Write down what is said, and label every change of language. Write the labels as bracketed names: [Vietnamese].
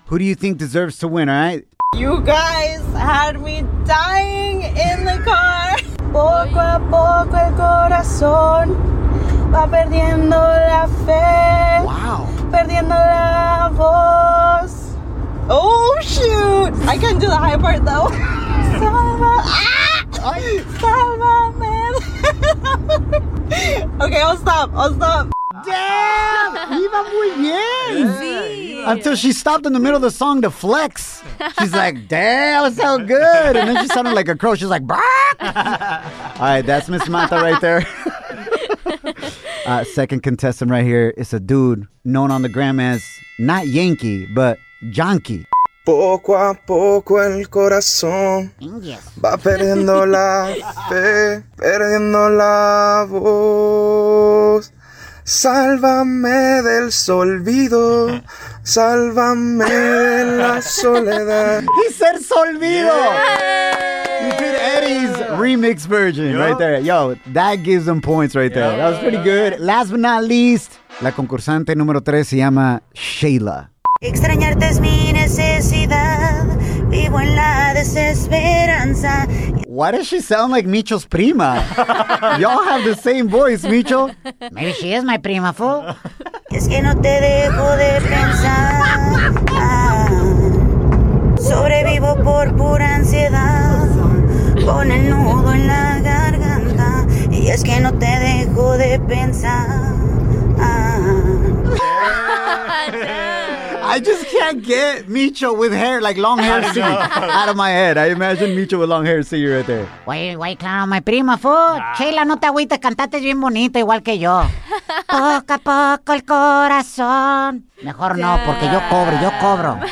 [English] Who do you think deserves to win, all right? You guys had me dying in the car. [Spanish] Poco a poco el corazón va perdiendo la fe. [English] Wow. [Spanish] Perdiendo la voz. [English] Oh, shoot. I can't do the high part, though. Sálvame. Okay, I'll stop. [Spanish] Damn! Iba muy bien! Sí. [English] Until she stopped in the middle of the song to flex. She's like, damn, so good. And then she sounded like a crow. She's like, brah! All right, that's Miss Mata right there. Second contestant right here is a dude known on the gram as not Yankee, but Yankee. [Spanish] Poco a poco el corazón va perdiendo la fe, perdiendo la voz. Sálvame del solvido. Sálvame de la soledad. [English] He said solvido. Yay! You did Eddie's remix version right there. Yo, that gives them points right there. That was pretty good. Last but not least, [Spanish] la concursante número 3 se llama Shayla. Extrañarte es mi necesidad. Vivo en la desesperanza. [English] Why does she sound like Micho's prima? Y'all have the same voice, Micho. Maybe she is my prima, fool. [Spanish] Es que no te dejo de pensar. Sobrevivo por pura ansiedad. Con el nudo en la garganta. Y es que no te dejo de pensar. [English] I just can't get Micho with hair, like long hair singing out of my head. I imagine Micho with long hair singing right there. [Spanish] Wait, claro, [English] my prima, fool. [Spanish] Chela, no te agüites, cantaste bien bonito, igual que yo. Poco a poco el corazón. Mejor no, porque yo cobro.